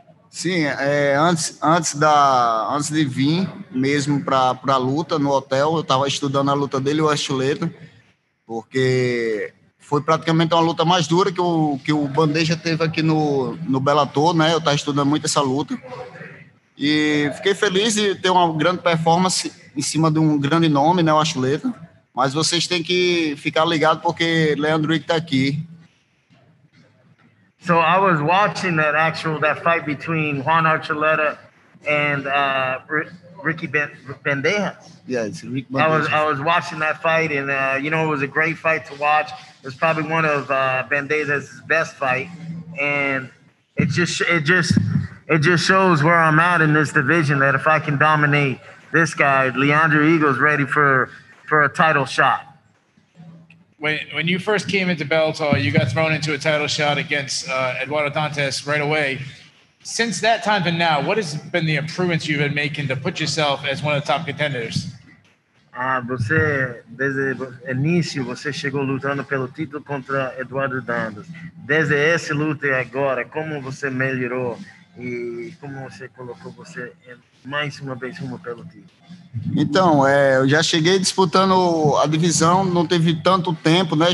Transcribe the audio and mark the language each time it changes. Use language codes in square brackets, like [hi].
[pt] Sim, antes de vir mesmo para a luta no hotel, eu estava estudando a luta dele, o Archuleta, porque foi praticamente uma luta mais dura que o Bandeja teve aqui no Bellator, né? Eu estava estudando muito essa luta e fiquei feliz de ter uma grande performance em cima de um grande nome, né, o Archuleta. Mas vocês têm que ficar ligados porque Leandro Rick está aqui. [en] So I was watching that fight between Juan Archuleta and Ricky Bandejas. Yeah, it's Rick Bandejas. I was watching that fight, and you know, it was a great fight to watch. It was probably one of Bandejas' best fight, and it just shows where I'm at in this division. That if I can dominate this guy, Leandro Eagle's ready for a title shot. When you first came into Bellator, you got thrown into a title shot against Eduardo Dantas right away. Since that time to now, what has been the improvements you've been making to put yourself as one of the top contenders? [pt] Você, desde o início, você chegou lutando pelo título contra Eduardo Dantas. Desde essa luta agora, como você melhorou e como você colocou você mais uma vez rumo pelo título? Então, eu já cheguei disputando a divisão, não teve tanto tempo, né?